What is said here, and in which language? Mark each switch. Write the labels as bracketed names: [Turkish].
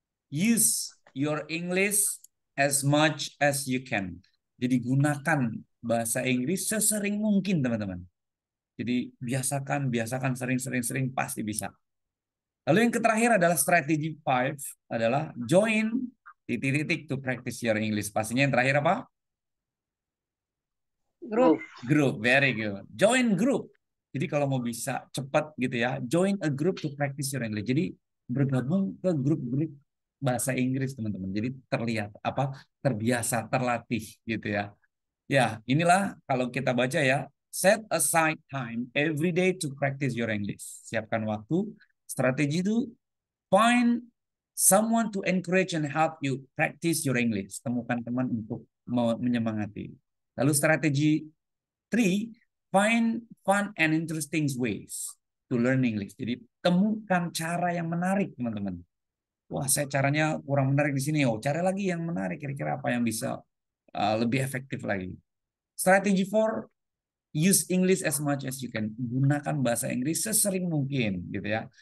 [English] Use your English as much as you can. [Indonesian] Jadi gunakan bahasa Inggris sesering mungkin, teman-teman. Jadi biasakan, biasakan sering-sering-sering pasti bisa. Lalu yang terakhir adalah strategi 5 adalah join titik-titik [English] to practice your English. [Indonesian] Pastinya yang terakhir apa? [English] Group. Group, very good. Join group. [Indonesian] Jadi kalau mau bisa cepat gitu ya, [English] join a group to practice your English. [Indonesian] Jadi bergabung ke grup-grup bahasa Inggris, teman-teman. Jadi terlihat apa? Terbiasa, terlatih gitu ya. Ya, inilah kalau kita baca ya, [English] set aside time every day to practice your English. [Indonesian] Siapkan waktu. Strategi itu, [English] find someone to encourage and help you practice your English. [Indonesian] Temukan teman untuk menyemangati. Lalu strategi 3, [English] find fun and interesting ways to learn English. [Indonesian] Jadi temukan cara yang menarik, teman-teman. Wah, saya caranya kurang menarik di sini. Oh, cara lagi yang menarik. Kira-kira apa yang bisa lebih efektif lagi. [English] Strategi 4, use English as much as you can. [Indonesian] Gunakan bahasa Inggris sesering mungkin, gitu ya.